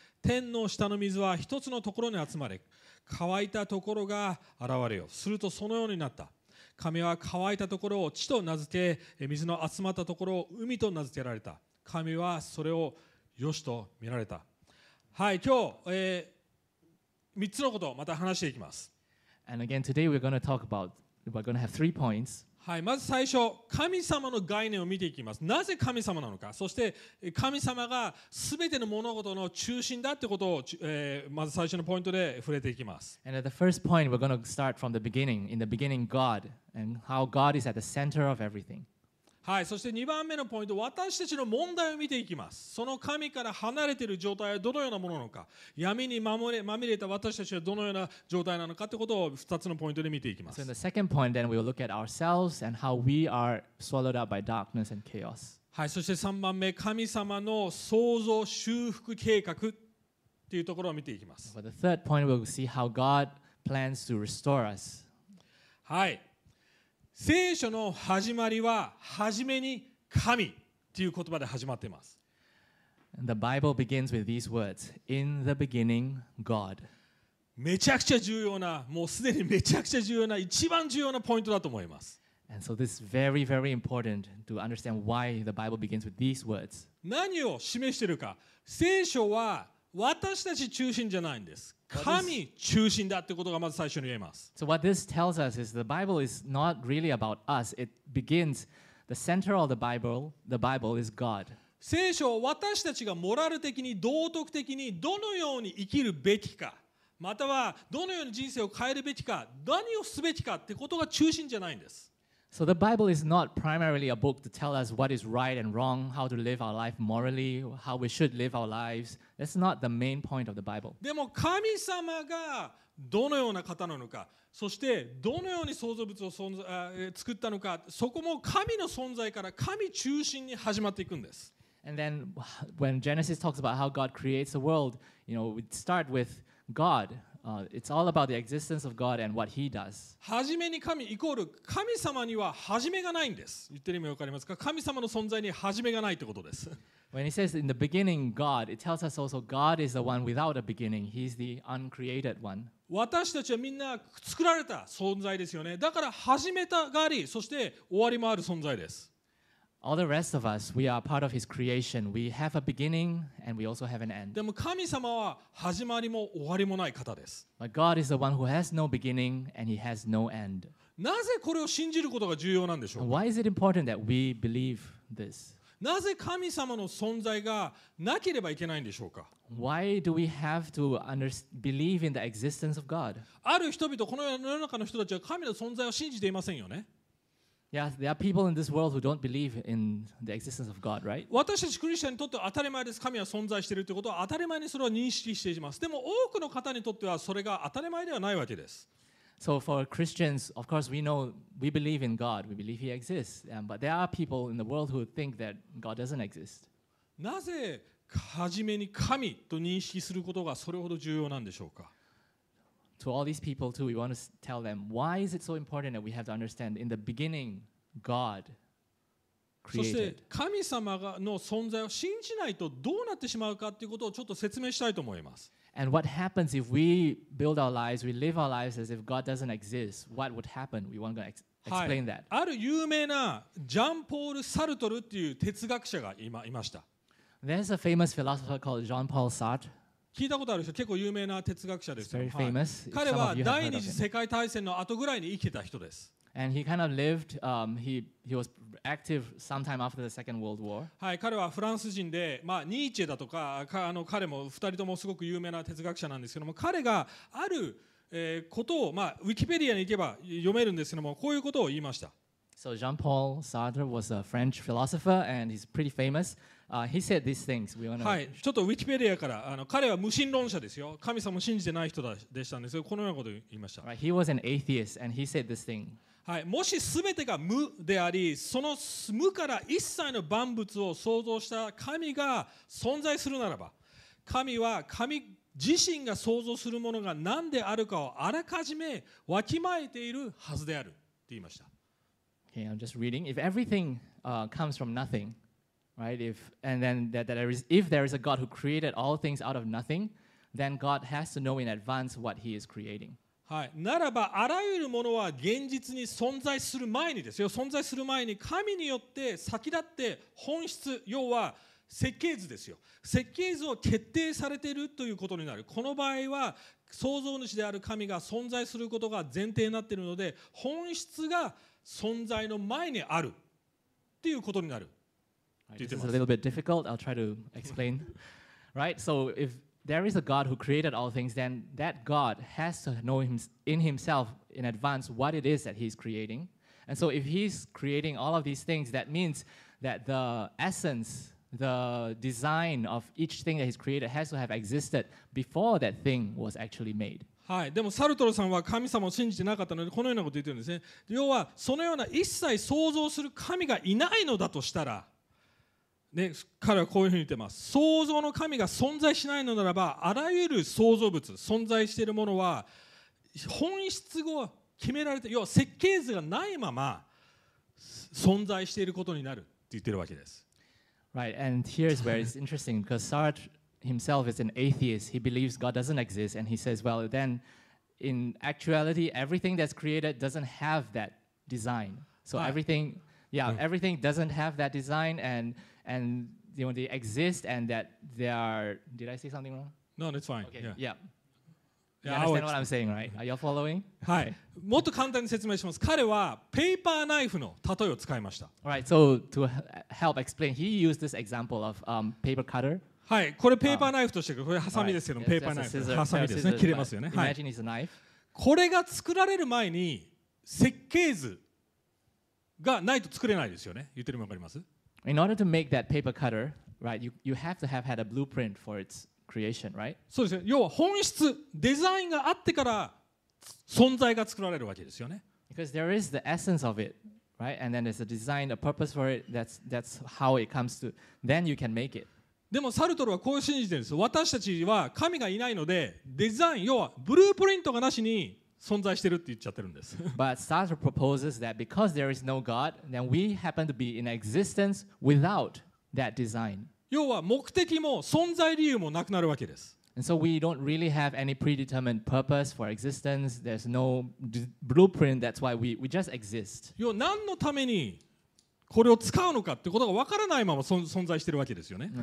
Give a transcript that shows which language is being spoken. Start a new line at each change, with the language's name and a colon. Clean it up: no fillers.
Japanese: 天の下の水は一つのところに集まれ、乾いたところが現れよ。するとそのようになった。神は乾いたところを地と名付け、水の集まったところを海と名付けられた。神はそれをよしと見られた。はい、今日、3つのことをまた話していきます。
English: And again, today we're going to talk about, we're going to have three points.
Japanese: はい、まず最初、神様の概念を見ていきます。なぜ神様なのか、そして神様が全ての物事の中心だということを、まず最初のポイントで触れていきます。
English: And at the first point, we're going to start from the beginning. In the beginning, God, and how God is at the center of everything.
Japanese: はい、そして2番目のポイント、私たちの問題を見ていきます。その神から離れている状態はどのようなものなのか、闇にまみれた私たちはどのような状態なのかということを2つのポイントで見ていきます。
English: So in the second point, then we will look at ourselves and how we are swallowed up by darkness and chaos.
Japanese: はい、そして3番目、神様の創造修復計画っていうところを見ていきます。
English: For the third point, we'll see how God plans to restore us.
Japanese: はい。聖書の始まりは初めに神という言葉で始まっています。
English: The Bible begins with these words: In the beginning, God.
Japanese: めちゃくちゃ重要な、もうすでにめちゃくちゃ重要な、一番重要なポイントだと思います。
English: And so this is very, very important to understand why the Bible begins with these words.
Japanese: 何を示しているか、聖書は私たち中心じゃないんです。神中心だってことがまず最初に言えます。
English: So what this tells us is the Bible is not really about us. It begins, the center of the Bible is God.
Japanese: 聖書は私たちがモラル的に、道徳的にどのように生きるべきか、またはどのように人生を変えるべきか、何をすべきかってことが中心じゃないんです。
English: So the Bible is not primarily a book to tell us what is right and wrong, how to live our life morally, how we should live our lives. That's not the main point of the Bible.
Japanese: でも神様がどのような方なのか、そしてどのように創造物を作ったのか、そこも神の存在から神中心に始まっていくんです。
English: And then when Genesis talks about how God creates the world, you know, we start with God. It's all about the existence of God and what He does.
Japanese: 初めに神イコール神様には初めがないんです。言ってる意味わかりますか？神様の存在に初めがないってことです。
English: When he says in the beginning God, it tells us also God is the one without a beginning. He's the uncreated one.
Japanese: 私たちはみんな作られた存在ですよね。だから始めたがあり、そして終わりもある存在です。
English: All the rest of us, we are part of His creation. We have a beginning and we also have an end.
Japanese: でも神様は始まりも終わりもない方です。
English: But God is the one who has no beginning and He has no end.
Japanese: なぜこれを信じることが重要なんでしょう？
English: Why is it important that we believe this?
Japanese: なぜ神様の存在がなければいけないんでしょうか？
English: Why do we have to believe in the existence of God?
Japanese: ある人々、この世の中の人たちは神の存在を信じていませんよね？
English: Yeah, there are people in this world who don't believe in the existence of God, right?
Japanese: 私たちクリスチャンにとっては当たり前です。神は存在しているということは当たり前にそれは認識しています。でも多くの方にとってはそれが当たり前ではないわけです。
English: So for Christians, of course, we know we believe in God. We believe He exists. But there are people in the world who think that God doesn't exist.
Japanese: なぜ初めに神と認識することがそれほど重要なんでしょうか？
English: To all these people too, we want to tell them why is it so important that we have to understand in the beginning, God created.
Japanese: そして神様の存在を信じないとどうなってしまうかということをちょっと説明したいと思います。
English: And what happens if we build our lives, we live our lives as if God doesn't exist? What would happen? We want to explain that.、
Japanese: はい、ある有名なジャン・ポール・サルトルっていう哲学者が今いました。
English: There's a famous philosopher called Jean-Paul Sartre.
Japanese: 聞いたことある人、結構有名な哲学者ですよ。はい、彼は第二次世界大戦の後ぐらいに生きてた人です。
English: And he kind of lived, he was active sometime after the Second World War.
Japanese: はい、彼はフランス人で、まあニーチェだとか、彼も二人ともすごく有名な哲学者なんですけども、彼がある、ことを、まあウィキペディアに行けば読めるんですけども、こういうことを言いました。
English: So Jean-Paul Sartre was a French philosopher and he's pretty famous. He said these things. We
Japanese: wanna... はい、ちょっとウィキペディアから、彼は無神論者ですよ。神様を信じてない人でしたんですよ。このようなことを言いました。
English: Right. He was an atheist and he said this thing.
Japanese: はい、もし全てが無であり、その無から一切の万物を創造した神が存在するならば、神は神自身が創造するものが何であるかをあらかじめわきまえているはずであると言いました。
English: Okay, I'm just reading. If everything comes from nothing, right? If and then there is a God who created all things out of nothing, then God has to know in advance what He is creating.
Japanese: はい。ならばあらゆるものは現実に存在する前にですよ。存在する前に神によって先立って本質、要は設計図ですよ。設計図を決定されているということになる。この場合は創造主である神が存在することが前提になっているので、本質が存在の前にあるっていうことになる。
English: Right, this is a little bit difficult. I'll try to explain. Right? So if there is a God who created all things, then that God has to know in himself in advance what it is that he's creating. And so if he's creating all of these things, that means that the essence, the design of each thing that he's created has to have existed before that thing was actually made.
Japanese: はい、でもサルトルさんは神様を信じてなかったのでこのようなことを言っているんですね。要はそのような一切創造する神がいないのだとしたら、ね、彼はこういうふうに言っています。創造の神が存在しないのならばあらゆる創造物、存在しているものは本質を決められて、要は設計図がないまま存在していることになると言っているわけです。
English: Right, and here's where it's interesting because Sartre himself is an atheist. He believes God doesn't exist, and he says, "Well, then, in actuality, everything that's created doesn't have that design. So everything, yeah, everything doesn't have that design, and you know, they exist, and that they are." Did I say something wrong? No, that's fine. Okay. Yeah. Yeah. You understand what I'm saying, right? Are you following?
Japanese: はい。もっと簡単に説明します。彼はペーパーナイフの例えを使いました。
English: Right. So to help explain, he used this example of paper cutter.
Japanese: はい。これペーパーナイフとして、これハサミですけども、ペーパーナイフ、ハサミですね。切れますよね。
English: Imagine it's a knife.
Japanese: これが作られる前に設計図がないと作れないですよね。言ってるのわかります？
English: In order to make that paper cutter, right, you have to have had a blueprint for its. Creation, right?
Japanese: そうですね。要は本質、デザインがあってから存在が作られるわけですよね。
English: Because there is the essence of it, right? And then there's a design, a purpose for it. That's how it comes to. Then you can make it.
Japanese: でもサルトルはこう信じてるんです。私たちは神がいないので、デザイン、要はブループリントがなしに存在してるって言っちゃってるんです。
English: But Sartre proposes that because there is no God, then we happen to be in existence without that design.
Japanese: 要は目的も存在理由もなくなるわけです。
English: And so we don't really have any predetermined purpose for existence. There's no blueprint. That's why we just exist.
Japanese: 要は何のためにこれを使うのかってことがわからないまま存在してるわけですよね。